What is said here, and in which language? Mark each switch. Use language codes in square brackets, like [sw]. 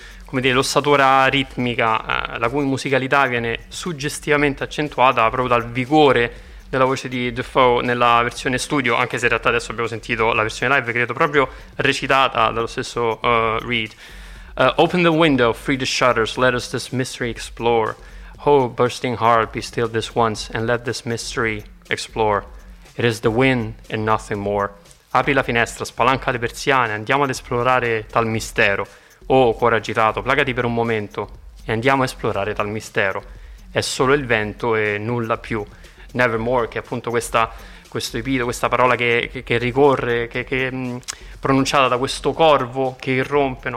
[it] come dire, l'ossatura ritmica, la cui musicalità viene suggestivamente accentuata proprio dal vigore della voce di Dufault nella versione studio, anche se in realtà adesso abbiamo sentito la versione live, credo proprio recitata dallo stesso Reed. [en] Open the window, free the shutters, let us this mystery explore. Oh, bursting heart, be still this once and let this mystery explore. It is the wind and nothing more. [it] Apri la finestra, spalanca le persiane, andiamo ad esplorare tal mistero. Oh, cuore agitato, placati per un momento e andiamo a esplorare tal mistero. È solo il vento e nulla più. Nevermore, che è appunto questo epito, questa parola che ricorre, che pronunciata da questo corvo che irrompe, no?